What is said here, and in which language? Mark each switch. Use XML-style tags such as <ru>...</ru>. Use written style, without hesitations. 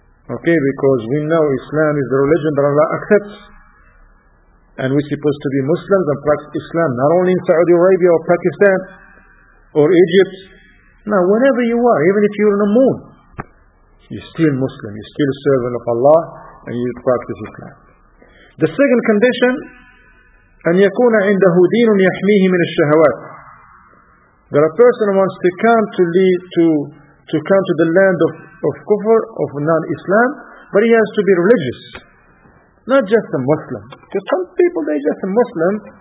<en>Okay, because we know Islam is the religion that Allah accepts. And we're supposed to be Muslims and practice Islam, not only in Saudi Arabia or Pakistan or Egypt. Now, wherever you are, even if you're on the moon, you're still Muslim, you're still a servant of Allah, and you practice Islam. The second condition,</en> <ar>أن يكون عنده دين يحميه من الشهوات.</ar> <en>That a person wants to come to come to the land of kufr, of non-Islam, but he has to be religious. Not just a Muslim. Because some people, they're just a Muslim.</en>